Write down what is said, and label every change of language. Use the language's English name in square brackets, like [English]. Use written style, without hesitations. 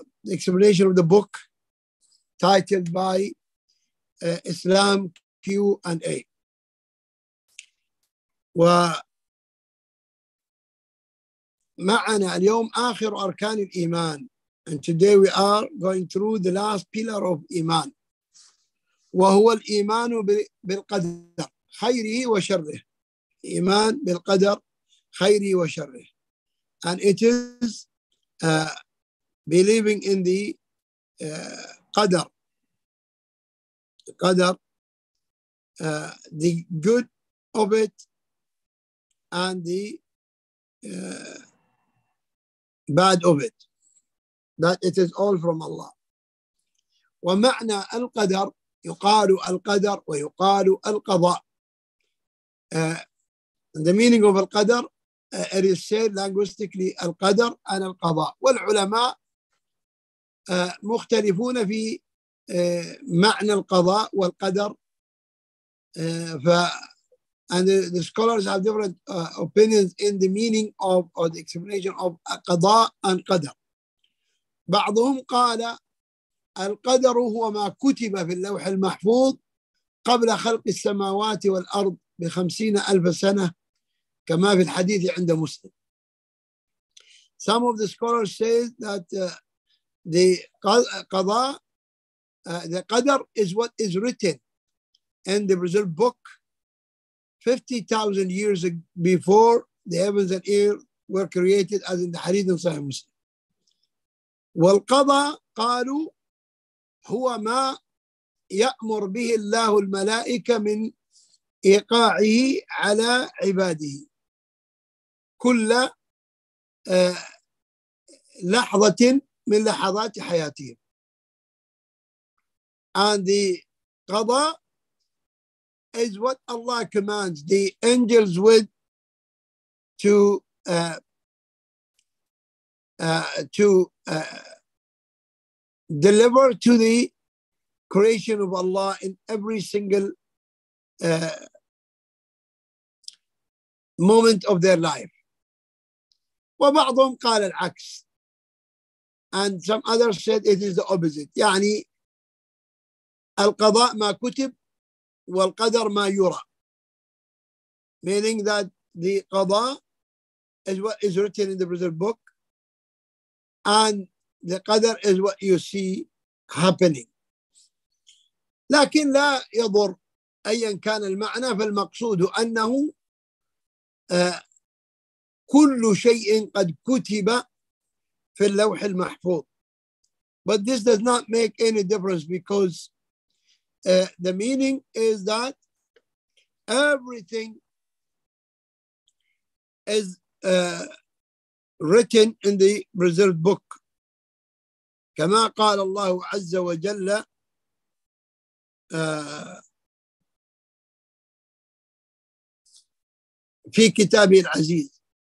[English] explanation of the book titled by Islam Q&A. [Arabic] ومعنا اليوم آخر أركان الإيمان. [English] And today we are going through the last pillar of إيمان. [Arabic] وهو الإيمان بالقدر خيره وشره. إيمان بالقدر خيره وشره. [English] And it is believing in the قدر. قدر the good of it and the bad of it, that it is all from Allah. [Arabic] ومعنى القدر يقال القدر ويقال القضاء. [English] The meaning of القدر it is said linguistically القدر and القضاء. [Arabic] والعلماء مختلفون في معنى القضاء والقدر. [English] And the scholars have different opinions in the meaning of or the explanation of قضاء and قدر. [Arabic] بعضهم قال القدر هو ما كتب في اللوح المحفوظ قبل خلق السماوات والأرض بخمسين ألف سنة كما في الحديث عند مسلم. [English] Some of the scholars say that the قضاء the قدر is what is written in the preserved book 50,000 years before the heavens and earth were created as in the hadith in Sahih Muslim. [Arabic] والقضاء قالوا هو ما يأمر به الله الملائكة من إيقاعه على عباده كل لحظة من لحظات حياتهم. [English] And the قضاء is what Allah commands the angels with to deliver to the creation of Allah in every single moment of their life. [Arabic] وبعضهم قال العكس. [English] And some others said it is the opposite. [Arabic] يعني القضاء ما كتب والقدر ما يرى. [English] Meaning that the قضاء is what is written in the preserved book and the قدر is what you see happening. [Arabic] لكن لا يضر أيا كان المعنى فالمقصود أنه كل شيء قد كتب في اللوح المحفوظ. [English] But this does not make any difference because the meaning is that everything is written in the preserved book. [Arabic] كما قال الله عز وجل في كتابه العزيز.